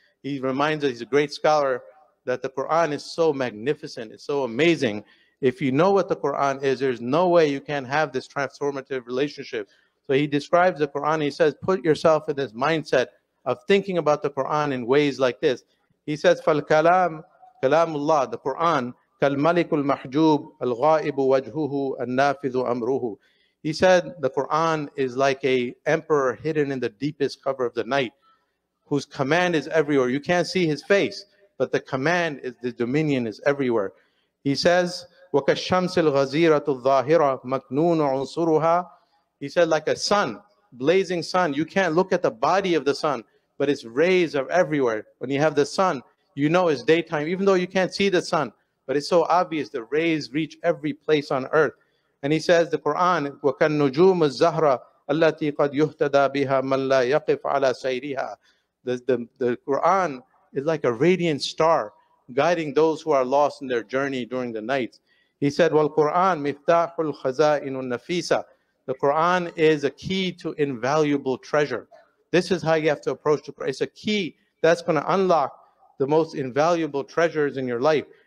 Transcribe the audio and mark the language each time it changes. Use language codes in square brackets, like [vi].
[en] He reminds us, he's a great scholar, that the Quran is so magnificent, it's so amazing. If you know what the Quran is, there's no way you can have this transformative relationship. So he describes the Quran. He says, put yourself in this mindset of thinking about the Quran in ways like this. He says, [ar] فالكلام كلام الله, [en] the Quran, [ar] كالملك المحجوب الغائب وجهه النافذ أمره. [en] He said, the Quran is like a emperor hidden in the deepest cover of the night, whose command is everywhere. You can't see his face, but the command is, the dominion is everywhere. He says, [ar] وَكَالشَّمْسِ الْغَزِيرَةُ الظَّاهِرَةُ مَكْنُونُ عُنْصُرُهَا. [en] He said, like a sun, blazing sun. You can't look at the body of the sun, but its rays are everywhere. When you have the sun, you know it's daytime, even though you can't see the sun. But it's so obvious, the rays reach every place on earth. And he says, the Quran, [ar] وَكَالنُّجُومُ الزَّهْرَةُ الَّتِي قَدْ يُهْتَدَى بِهَا مَنْ لَا يَقِفْ عَلَى سَيْرِهَا. [en] The Quran is like a radiant star, guiding those who are lost in their journey during the night. He said, [ar] "Wal Quran miftahul khaza'in nafisa." [en] The Quran is a key to invaluable treasure. This is how you have to approach the Quran. It's a key that's going to unlock the most invaluable treasures in your life.